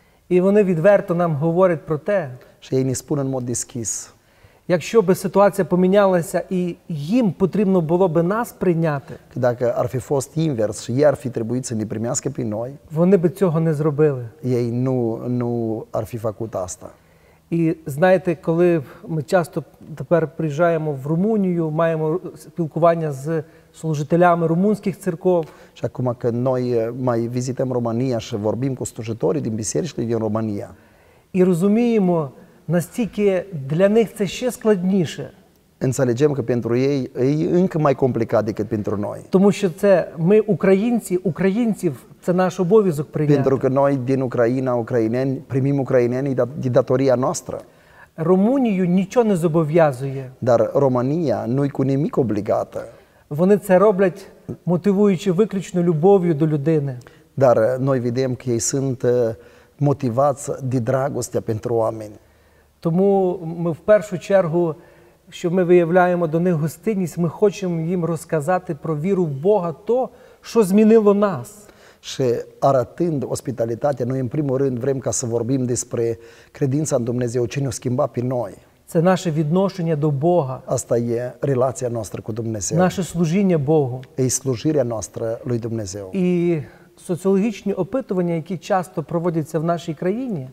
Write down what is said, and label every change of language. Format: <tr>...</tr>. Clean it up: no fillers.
<uk>І вони відверто нам говорять про те, що їй не спонен мод дискіс. Якщо би ситуація помінялася і їм потрібно було би нас прийняти,</uk> <ro>когда ar fi fost invers, що ar fi trebuit să ne primească pe noi,</ro> <uk>вони би цього не зробили.</uk> <ro>Ei nu ar fi făcut asta.</ro> <uk>І знаєте, коли ми часто тепер приїжджаємо в Румунію, маємо спілкування з служителями румунських церков.</uk> <ro>Și acum că noi mai vizităm România și vorbim cu slujitorii din bisericile din România.</ro> <uk>І розуміємо, настільки для них це ще складніше.</uk> <ro>Înțelegem că pentru ei e încă mai complicat decât pentru noi.</ro> <uk>Тому що це ми українці, українців це наш обов'язок прийняти.</uk> <ro>Pentru că noi din Ucraina, ucraineni, primim ucrainenii de datoria noastră.</ro> <uk>Румунію нічого не зобов'язує.</uk> <ro>Dar România nu-i cu nimic obligată.</ro> <uk>Вони це роблять, мотивуючи виключно любов'ю до людини.</uk> <ro>Dar noi vedem că ei sunt motivați de dragostea pentru oameni.</ro> <uk>Тому ми в першу чергу, що ми виявляємо до них гостинність, ми хочемо їм розказати про віру в Бога, то, що змінило нас.</uk> <ro>Și arătând ospitalitatea, noi în primul rând vrem ca să vorbim despre credința în Dumnezeu, ce ne-a schimbat pe noi.</ro> <uk>Це наше відношення до Бога.</uk> <ro>Asta e relația noastră cu Dumnezeu.</ro> <uk>Наше служіння Богу.</uk> <ro>E slujirea noastră lui Dumnezeu.</ro> <uk>І соціологічні опитування, які часто проводяться в нашій країні.</uk>